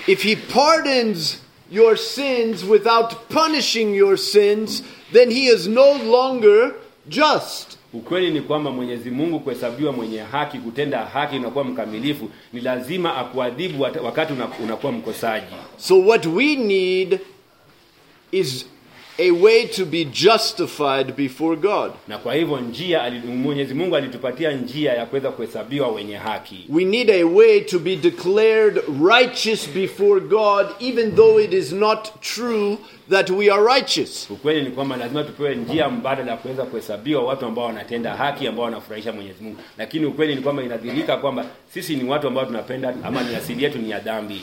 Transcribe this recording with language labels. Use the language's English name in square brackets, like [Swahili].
[English] If he pardons your sins without punishing your sins, then he is no longer just. [Swahili] Ukweli ni kwamba Mwenyezi Mungu kuhesabiwa mwenye haki, kutenda haki na kuwa mkamilifu, ni lazima akuadhibu wakati unakuwa mkosaji. [English] So what we need is a way to be justified before God. [Swahili] Na kwa hivyo njia Mwenyezi Mungu alitupatia njia ya kuweza kuhesabiwa wenye haki. [English] We need a way to be declared righteous before God even though it is not true that we are righteous. [Swahili] Ukweli ni kwamba lazima tupewe njia mbadala ya kuweza kuhesabiwa watu ambao wanatenda haki ambao wanafurahisha Mwenyezi Mungu. Lakini ukweli ni kwamba inadhihirika kwamba sisi ni watu ambao tunapenda ama ni asili yetu ni ya dhambi.